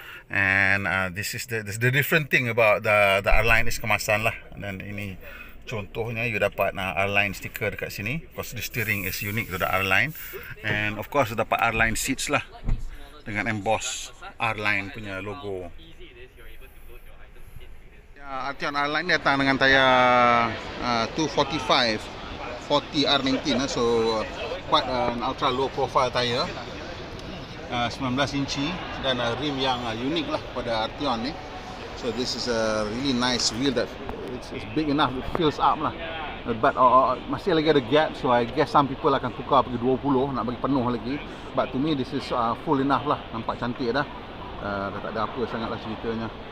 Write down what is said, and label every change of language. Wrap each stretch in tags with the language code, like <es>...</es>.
<en>And this is the different thing about the R-Line is</en> <ms>kemasan lah. Dan ini contohnya, you dapat R-Line sticker dekat sini.</ms> <en>Of course, the steering is unique to the R-Line. And of course, you dapat R-Line seats lah, dengan embossed R-Line punya logo.</en> <ms>Arteon R-Line datang dengan tayar 245 40 R19,</ms> <en>so quite an ultra low profile</en> <ms>tayar, 19 inci, dan rim yang unique lah pada Arteon ni.</ms> <en>So this is a really nice wheel that it's big enough, it fills up lah.</en> <ms>But masih lagi ada gap,</ms> <en>so I guess some people</en> <ms>akan tukar pergi 20 nak bagi penuh lagi.</ms> <en>But to me this is full enough lah,</en> <ms>nampak cantik dah. Dah tak ada apa sangat lah ceritanya.</ms>